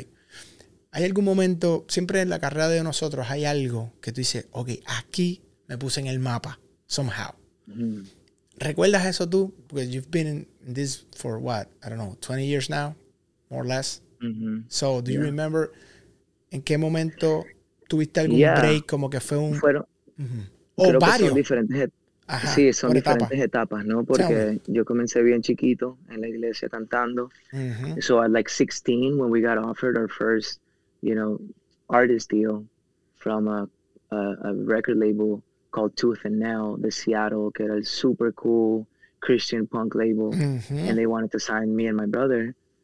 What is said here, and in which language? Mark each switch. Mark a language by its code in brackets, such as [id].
[es] Like, hay algún momento, siempre en la carrera de nosotros hay algo que tú dices, okay, aquí me puse en el mapa, somehow. Mm-hmm. ¿Recuerdas eso tú? [en] Because you've been in this for what? I don't know, 20 years now, more or less. Mm-hmm. So, do you remember [es] en qué momento tuviste algún break, como que fue un... Fueron, uh-huh. Oh, creo varios. Que son diferentes, sí, son diferentes etapas, ¿no? Porque yo comencé bien chiquito en la iglesia cantando. Uh-huh. [en] So at like 16, when we got offered our first, you know, artist deal from a record label called Tooth and Nail de Seattle, [es] que era el [en] super cool Christian punk label. Uh-huh. And they wanted to sign me and my brother.